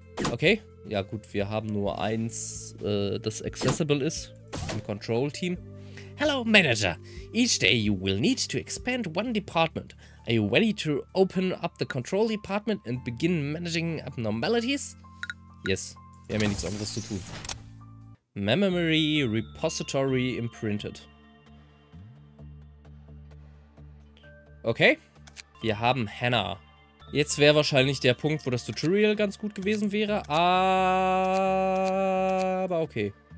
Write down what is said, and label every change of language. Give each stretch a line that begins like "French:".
German: Okay, ja gut, wir haben nur eins, das accessible ist, im Control Team.
English: Hello, Manager. Each day you will need to expand one department. Are you ready to open up the control department and begin managing abnormalities?
German: Yes, wir haben ja nichts anderes zu tun.
English: Memory repository imprinted.
German: Okay, wir haben Hannah. Jetzt wäre wahrscheinlich der Punkt, wo das Tutorial ganz gut gewesen wäre, aber okay.